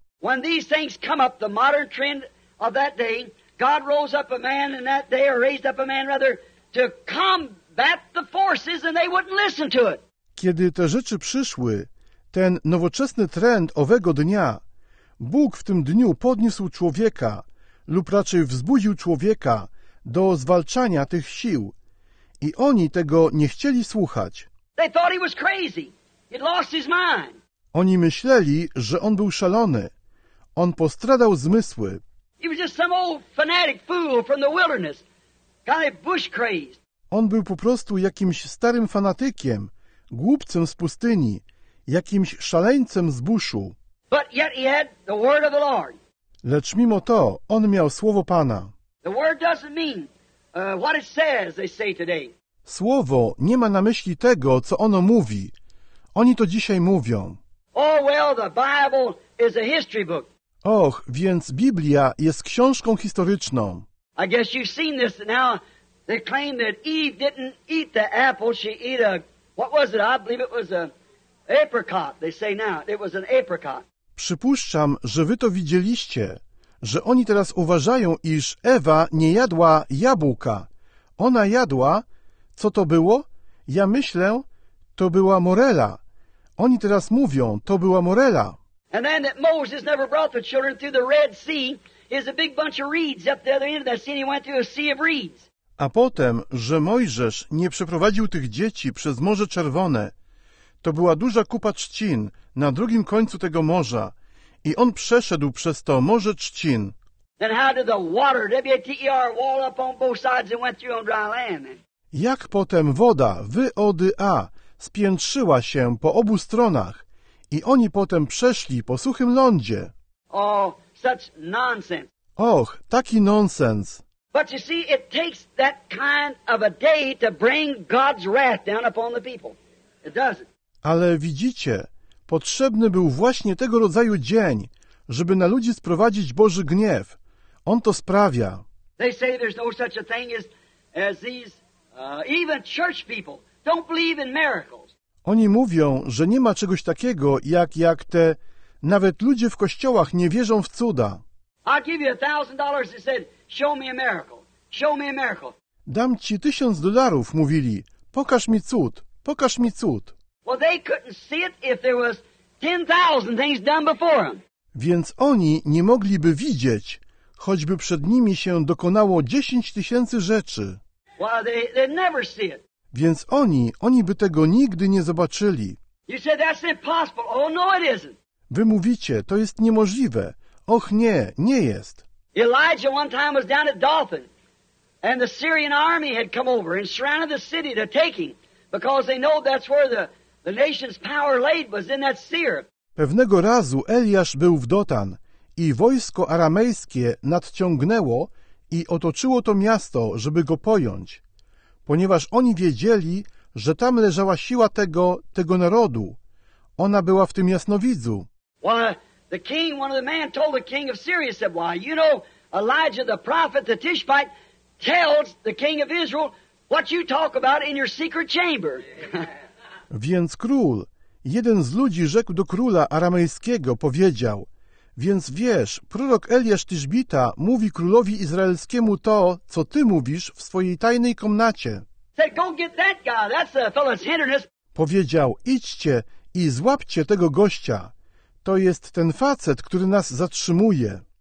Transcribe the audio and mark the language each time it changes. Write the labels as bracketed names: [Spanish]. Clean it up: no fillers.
[English] when these things come up, the modern trend of that day, God rose up a man in that day, or raised up a man rather, to combat the forces and they wouldn't listen to it. [Polish] Kiedy te rzeczy przyszły, ten nowoczesny trend owego dnia, Bóg w tym dniu podniósł człowieka, lub raczej wzbudził człowieka do zwalczania tych sił. I oni tego nie chcieli słuchać. [English] They thought he was crazy. He'd lost his mind. [Polish] Oni myśleli, że on był szalony. On postradał zmysły. [English] He was just some old fanatic fool from the wilderness. Kind of bush crazed. [Polish] On był po prostu jakimś starym fanatykiem, głupcem z pustyni, jakimś szaleńcem z buszu. [English] But yet he had the word of the Lord. [Polish] Lecz mimo to, on miał Słowo Pana. [English] The word doesn't mean, what it says, they say today. [Polish] Słowo nie ma na myśli tego, co ono mówi. Oni to dzisiaj mówią. [English] Oh, well, the Bible is a history book. [Polish] Och, więc Biblia jest książką historyczną. [English] I guess you've seen this now. They claim that Eve didn't eat the apple. She ate a, what was it? I believe it was an apricot. They say now it was an apricot. [Polish] Przypuszczam, że wy to widzieliście, że oni teraz uważają, iż Ewa nie jadła jabłka. Ona jadła, co to było? Ja myślę, to była morela. Oni teraz mówią, to była morela. [English] And then that Moses never brought the children through the Red Sea is a big bunch of reeds up the other end of that sea, and he went through a sea of reeds. [Polish] A potem, że Mojżesz nie przeprowadził tych dzieci przez Morze Czerwone, to była duża kupa trzcin na drugim końcu tego morza i on przeszedł przez to Morze Trzcin. [English] Then how did the water, W-T-E-R, wall up on both sides and went through on dry land? [Polish] Jak potem woda, W-O-D-A, spiętrzyła się po obu stronach i oni potem przeszli po suchym lądzie. [English] Oh, such nonsense. [Polish] Och, taki nonsens. [English] But you see, it takes that kind of a day to bring God's wrath down upon the people. It does. [Polish] Ale widzicie, potrzebny był właśnie tego rodzaju dzień, żeby na ludzi sprowadzić Boży gniew. On to sprawia. [English] They say there's no such a thing as these even church people don't believe in miracles. [Polish] Oni mówią, że nie ma czegoś takiego, jak te nawet ludzie w kościołach nie wierzą w cuda. [English] I'll give you $1,000, they said, show me a miracle. Show me a miracle. [Polish] Dam ci $1,000, mówili. Pokaż mi cud. Pokaż mi cud. [English] Well, they couldn't see it if there was 10,000 things done before them. [Polish] Więc oni nie mogliby widzieć, choćby przed nimi się dokonało 10,000 rzeczy. [English] Well, they'd never see it. [Polish] Więc oni by tego nigdy nie zobaczyli. [English] You said that's impossible. Oh, no, it isn't. [Polish] Wy mówicie, to jest niemożliwe. Och nie, nie jest. [English] Elijah one time was down at Dothan, and the Syrian army had come over and surrounded the city to take him, because they know that's where the nation's power laid was in that Seir. [Polish] Pewnego razu Eliasz był w Dotan i wojsko aramejskie nadciągnęło i otoczyło to miasto, żeby go pojąć, ponieważ oni wiedzieli, że tam leżała siła tego narodu. Ona była w tym jasnowidzu. [English] Well, the king, one of the men told the king of Syria, said, why, you know, Elijah the prophet, the Tishbite, tells the king of Israel what you talk about in your secret chamber. [Polish] Więc król, jeden z ludzi rzekł do króla aramejskiego, powiedział, więc wiesz, prorok Eliasz Tyszbita mówi królowi izraelskiemu to, co ty mówisz w swojej tajnej komnacie. [English] Said, go get that guy, that's the fellow's hindrance. [Polish] Powiedział, idźcie i złapcie tego gościa. To jest ten facet, który nas zatrzymuje.